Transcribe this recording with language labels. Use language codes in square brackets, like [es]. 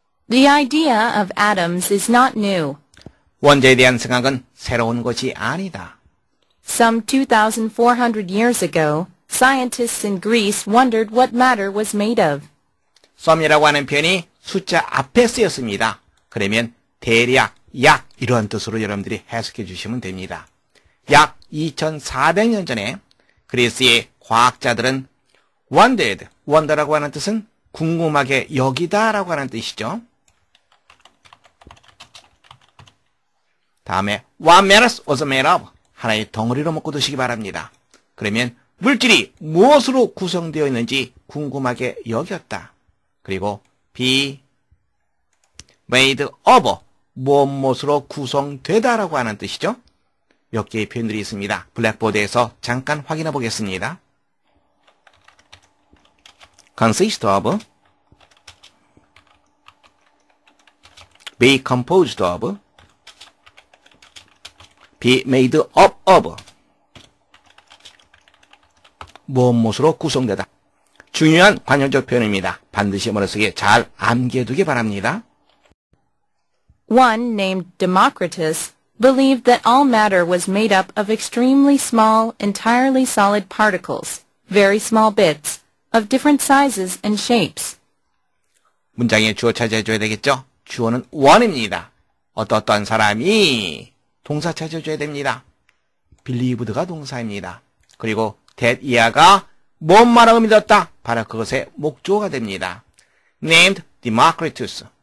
[en] The idea of atoms is not new. [ko] 원자에 대한 생각은 새로운 것이 아니다. [en] Some 2,400 years ago, scientists in Greece wondered what matter was made of. [ko] Some이라고 하는 표현이 숫자 앞에 쓰였습니다. 그러면 대략, 약 이러한 뜻으로 여러분들이 해석해 주시면 됩니다. 약 2,400년 전에 그리스의 과학자들은 wondered, wonder라고 하는 뜻은 궁금하게 여기다라고 하는 뜻이죠. 다음에 [en] one mass was made of [ko] 하나의 덩어리로 묶어 두시기 바랍니다. 그러면 물질이 무엇으로 구성되어 있는지 궁금하게 여겼다. 그리고 be made of 무엇으로 구성되다라고 하는 뜻이죠. 몇 개의 표현들이 있습니다. 블랙보드에서 잠깐 확인해 보겠습니다. [en] consist of be composed of be made up of [ko] 무엇으로 구성되다. 중요한 관용적 표현입니다. 반드시 머릿속에 잘 암기해두기 바랍니다. [en] One named Democritus believed that all matter was made up of extremely small, entirely solid particles, very small bits, of different sizes and shapes. [ko] 문장에 주어 찾아줘야 되겠죠? 주어는 one입니다. 어떠어떤 사람이 동사 찾아줘야 됩니다. believed가 동사입니다. 그리고 that 이하가 뭔 말하고 믿었다? 바로 그것의 목조가 됩니다. [en] named Democritus.